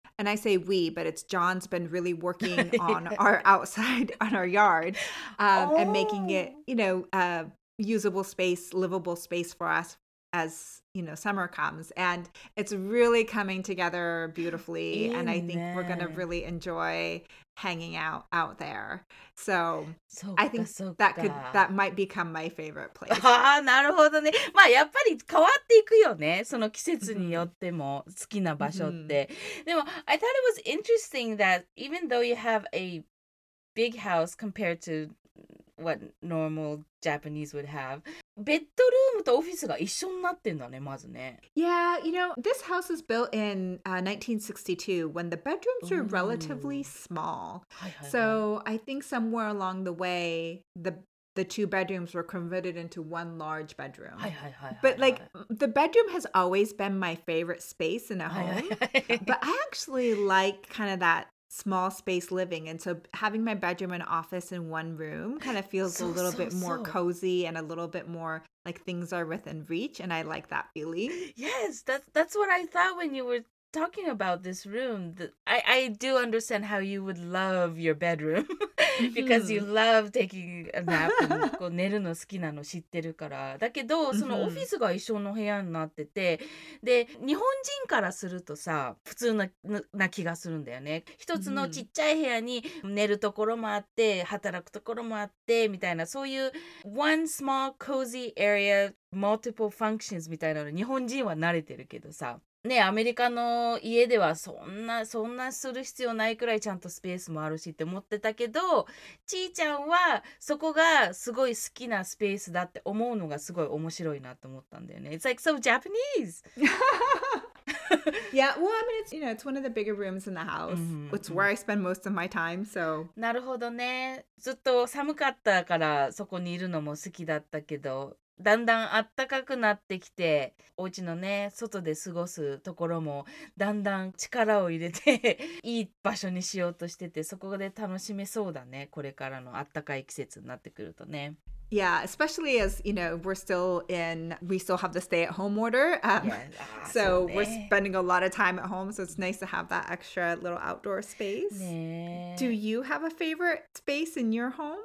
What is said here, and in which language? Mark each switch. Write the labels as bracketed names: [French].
[English] And I say we, but it's John's been really working on our outside, on our yard, and making it, you know, usable space, livable space for us as, you know, summer comes. And it's really coming together beautifully. Amen. And I think we're going to really enjoy hanging out there. So I think that could, that might become my favorite place. [Japanese] ああ、なるほどね。まあやっぱり変わっていくよね。その季節によっても好きな場所って。 [English] でも、I thought it was interesting that even though you have a big house compared to what normal Japanese would have, [Japanese] ベッドルームとオフィスが一緒になってんだね、まずね。 [English] Yeah, you know, this house was built in 1962 when the bedrooms were relatively small. [Japanese] はいはいはい。 [English] So I think somewhere along the way, the two bedrooms were converted into one large bedroom. [Japanese] はいはいはいはい。 [English] But like, the bedroom has always been my favorite space in a home. [Japanese] はいはいはい。 [English] But I actually like kind of that small space living, and so having my bedroom and office in one room kind of feels a little bit more cozy and a little bit more like things are within reach, and I like that feeling. Yes, that's what I thought when you were talking about this room. I do understand how you would love your bedroom because you love taking a nap. [Japanese] こう寝るの好きなの知ってるから。だけどそのオフィスが一緒の部屋になってて、で日本人からするとさ普通な気がするんだよね。一つのちっちゃい部屋に寝るところもあって働くところもあってみたいな、そういう [English] one small cozy area multiple functions [Japanese] みたいなの日本人は慣れてるけどさ。ね、アメリカの家ではそんなする必要ないくらいちゃんとスペースもあるしって思ってたけど、ちーちゃんはそこがすごい好きなスペースだって思うのがすごい面白いなと思ったんだよね。 [English] It's like so Japanese! Yeah, well, I mean, it's, you know, it's one of the bigger rooms in the house. Mm-hmm. It's where I spend most of my time, so. [Japanese] なるほどね。ずっと寒かったからそこにいるのも好きだったけど、だんだん暖かくなってきて、お家のね、外で過ごすところもだんだん力を入れていい場所にしようとしてて、そこで楽しめそうだね、これからの暖かい季節になってくるとね。 [English] Yeah, especially as, you know, we still have the stay at home order. So we're spending a lot of time at home, so it's nice to have that extra little outdoor space. Do you have a favorite space in your home?